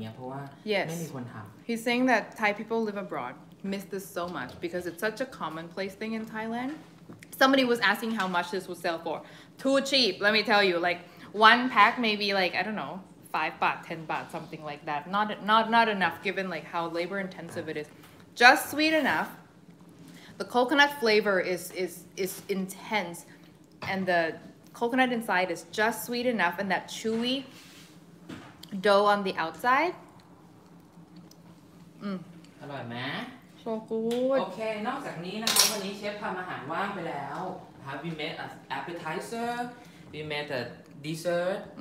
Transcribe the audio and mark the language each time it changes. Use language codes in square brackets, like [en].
[th] ได้กลิ่นมะลิมั้ยได้กลิ่นมะลิใช่เลยมั้ยใช่เลยใช่เลยคือคนไทยที่อยู่ที่เนี่ยจะคิดถึงขนมแบบอย่างเงี้ยเพราะว่าไม่มีคนทำ [en] He's saying that Thai people live abroad miss this so much because it's such a common place thing in Thailand. Somebody was asking how much this would sell for. Too cheap, let me tell you. Like one pack maybe like I don't know, 5 baht, 10 baht, something like that. Not enough given like how labor intensive it is. Just sweet enough. The coconut flavor is intense, and the coconut inside is just sweet enough, and that chewy dough on the outside. So good. [th] Okay, นอกจากนี้นะคะวันนี้ Chef ทำอาหารว่างไปแล้ว [en] Have we made an appetizer? We made a dessert.